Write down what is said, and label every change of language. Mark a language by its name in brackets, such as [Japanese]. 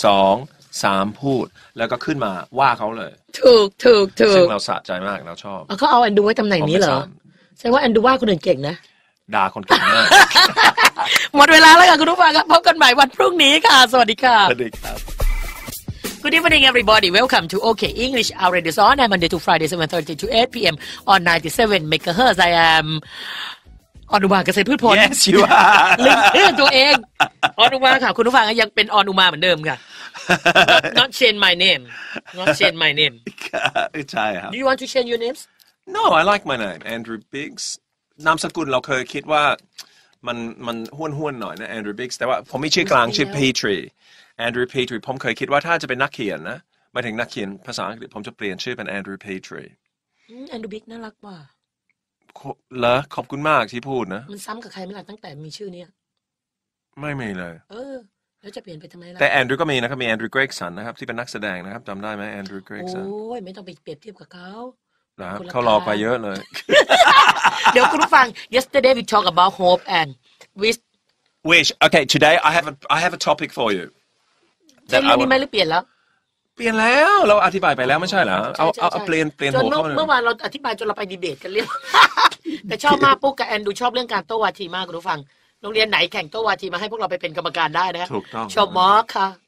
[Thai] 2 3พูดแล้วก็ขึ้นมาว่าเขาเลย ถูก ซึ่งเราสะใจมากเราชอบ เขาเอาแอนดูไว้ตำแหน่งนี้เหรอใช่ว่าแอนดูว่าคนอื่นเก่งนะ ด่าคนเก่งมาก หมดเวลาแล้วค่ะคุณผู้ฟังครับพบกันใหม่วันพรุ่งนี้ค่ะสวัสดีค่ะ สวั สดีครับ [English] Good evening, everybody. Welcome to OK English. Our radio is on Monday to Friday, 7:30 to 8 p.m. on 97 MHz. I am อนุมาเกษตรพืชผล Yes, you are. [Thai] ลืมตัวเองอนุมาค่ะคุณผู้ฟังยังเป็นอนุมาเหมือนเดิมค่ะ [English] Not change my name. Not change my name. [Thai] ใช่ครับ [English] Do you want to change your names? No, I like my name, Andrew Biggs. [Thai] นามสกุลเราเคยคิดว่ามันห้วนห้วนหน่อยนะ Andrew Biggs. แต่ว่าผมไม่ชื่อกลางชื่อ Petrie. Andrew Petrie ผมเคยคิดว่าถ้าจะเป็นนักเขียนนะหมายถึงนักเขียนภาษาอังกฤษผมจะเปลี่ยนชื่อเป็น Andrew Petrie Andrew Big น่ารักว่ะ เหรอขอบคุณมากที่พูดนะ มันซ้ำกับใครไม่ล่ะตั้งแต่มีชื่อเนี้ย ไม่มีเลย เออแล้วจะเปลี่ยนไปทำไมล่ ะ แต่ Andrew ก็มีนะครับมี Andrew Gregson นะครับที่เป็นนักแสดงนะครับจำได้ไหม Andrew Gregson โอ้ยไม่ต้องไปเปรียบเทียบกับเขา เขารอไปเยอะเลย เดี๋ยวคุณฟัง [English] Yesterday we talk about hope and wish okay today I have a topic for you [Thai] ใช่เรื่องนี้ไหมหรือเปลี่ยนแล้ว เปลี่ยนแล้วเราอธิบายไปแล้วไม่ใช่เหรอเอาเปลี่ยน หัวข้อเมื่อวานเราอธิบายจนเราไปดีเบตกันเรื่องแต่ชอบมากปุ๊กกับแอนดูชอบเรื่องการโต้วาทีมากคุณผู้ฟังโรงเรียนไหนแข่งโต้วาทีมาให้พวกเราไปเป็นกรรมการได้นะ ถูกต้อง ชอบมอสค่ะ